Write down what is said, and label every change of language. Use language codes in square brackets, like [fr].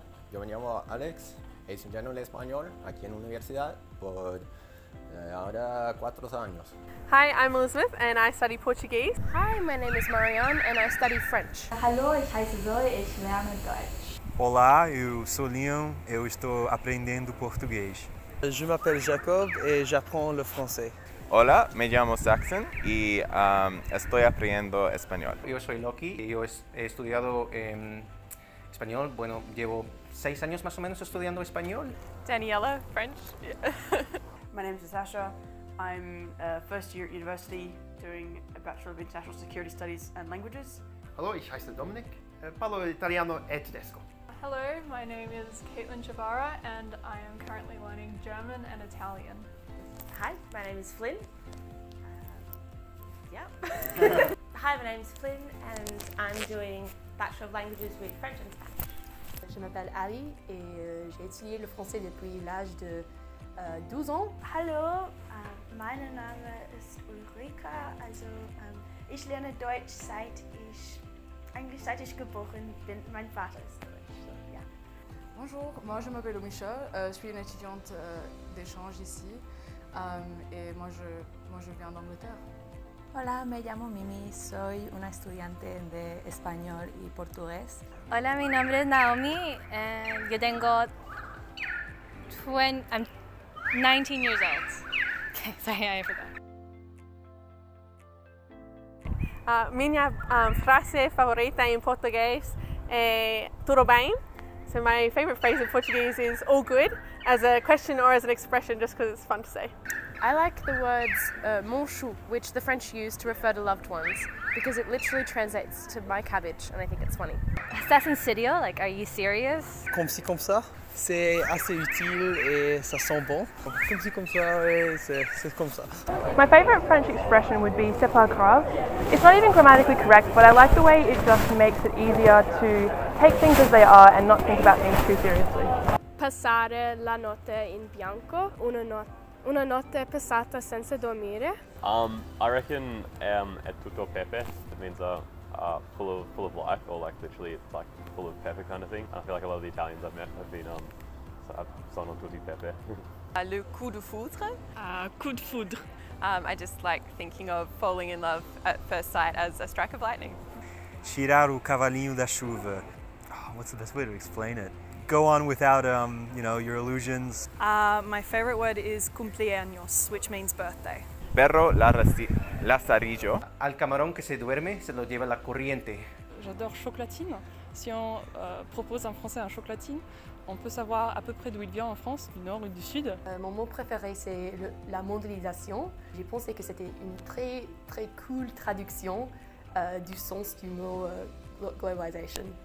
[es] Yo me llamo Alex, es un general español aquí en la universidad por ahora 4 años. [en] Hi, I'm Elizabeth and I study Portuguese. Hi, my name is Marion and I study French. [de] Hello, ich heiße Zoe, ich lerne Deutsch. [pt] Olá, eu sou Leon, eu estou aprendendo português. [fr] Je m'appelle Jacob et j'apprends le français. [es] Hola, me llamo Saxon y estoy aprendiendo español. Yo soy Loki y yo he estudiado español. Bueno, llevo 6 años más o menos estudiando español. [en] Daniela, French. Yeah. My name is Sasha. I'm a first year at university doing a Bachelor of International Security Studies and Languages. [it] Hello, [de] ich heiße Dominic. [it] Parlo italiano e tedesco. [en] Hello, my name is Caitlin Chavara and I am currently learning German and Italian. Hi, my name is Flynn. Yeah. Hi, my name is Flynn and I'm doing Bachelor of Languages with French and Spanish. [fr] Je m'appelle Ali et j'ai étudié le français depuis l'âge de 12 ans. [de] Hello, mein Name ist Ulrika, also ich lerne Deutsch seit ich geboren bin. Mein Vater ist Deutsch. [fr] Bonjour, moi je m'appelle Michelle, je suis une étudiante d'échange ici et moi je viens d'Angleterre. [es] Hola, me llamo Mimi, soy una estudiante de español y portugués. Hola, mi nombre es Naomi, yo tengo 19 [en] years old. Okay, sorry, I forgot. [pt] Minha frase favorita [es] en portugués es tudo bem. [en] So my favorite phrase in Portuguese is all good, as a question or as an expression, just because it's fun to say. I like the words mon chou, which the French use to refer to loved ones, because it literally translates to my cabbage, and I think it's funny. [es] Estás en serio? [en] Like, are you serious? [fr] Comme si comme ça. C'est assez utile et ça sent bon. Comme si comme ça, c'est comme ça. [en] My favorite French expression would be [fr] c'est pas grave. [en] It's not even grammatically correct, but I like the way it just makes it easier to take things as they are and not think about things too seriously. [it] Passare la notte in bianco, una notte passata senza dormire. [en] I reckon [it] è tutto pepe. [en] It means full of life, or like literally like full of pepper kind of thing. And I feel like a lot of the Italians I've met have been [it] sono tutti pepe. [fr] Le coup de foudre. Coup de foudre. [en] I just like thinking of falling in love at first sight as a strike of lightning. [pt] Tirar o cavalinho da chuva. [en] What's the best way to explain it? Go on without, you know, your illusions. My favorite word is cumpleaños, which means birthday. [es] Perro lazarillo. Al camarón que se duerme, se lo lleva la corriente. [fr] J'adore chocolatine. Si on propose un français un chocolatine, on peut savoir à peu près d'où il vient en France, du nord ou du sud. Mon mot préféré, c'est la mondialisation. J'ai pensé que c'était une très, très cool traduction du sens du mot globalization.